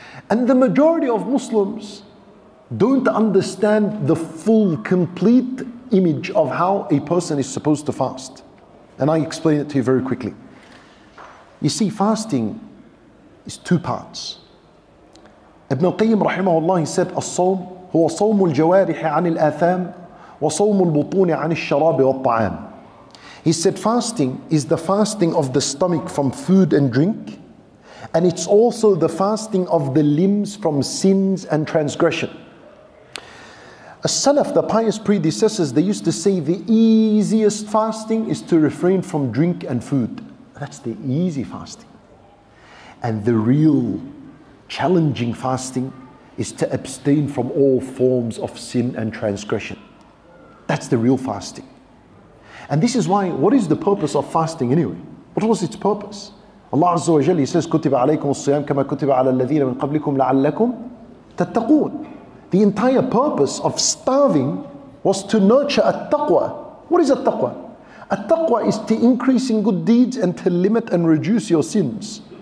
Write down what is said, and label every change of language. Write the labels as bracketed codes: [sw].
[en] And the majority of Muslims don't understand the full, complete image of how a person is supposed to fast. And I explain it to you very quickly. You see, fasting is two parts. Ibn Qayyim rahimahullah, he said, [ar] الصوم هو صوم الجوارح عن الآثام وصوم البطون عن الشراب والطعام. [en] He said, fasting is the fasting of the stomach from food and drink, and it's also the fasting of the limbs from sins and transgression. A Salaf, the pious predecessors, they used to say the easiest fasting is to refrain from drink and food. That's the easy fasting. And the real challenging fasting is to abstain from all forms of sin and transgression. That's the real fasting. And this is why, what is the purpose of fasting anyway? What was its purpose? Allah Azza wa Jalla, he says, [ar] كُتِبَ عَلَيْكُمُ الصِّيَامُ كَمَا كُتِبَ عَلَى الَّذِينَ مِنْ قَبْلِكُمْ لَعَلَّكُمْ تَتَّقُونَ. [en] The entire purpose of starving was to nurture at-taqwa. What is at-taqwa? At-taqwa is to increase in good deeds and to limit and reduce your sins.